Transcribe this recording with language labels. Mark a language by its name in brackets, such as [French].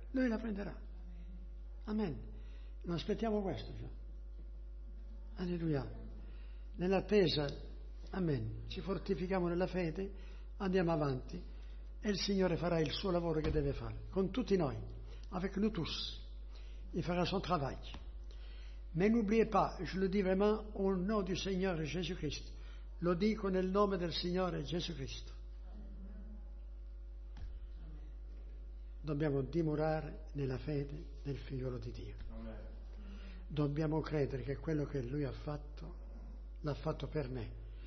[Italian] Lui la prenderà. Amen. Ma aspettiamo questo. Cioè. Alleluia. Nell'attesa, amen. Ci fortifichiamo nella fede, andiamo avanti e il Signore farà il suo lavoro che deve fare con tutti noi. [French] Avec nous tous. Il farà son travail. Mais n'oubliez pas, je le dis vraiment au nom du Seigneur Jésus Christ. [Italian] Lo dico nel nome del Signore Gesù Cristo. Dobbiamo dimorare nella fede del figliolo di Dio. Dobbiamo credere che quello che Lui ha fatto, l'ha fatto per me.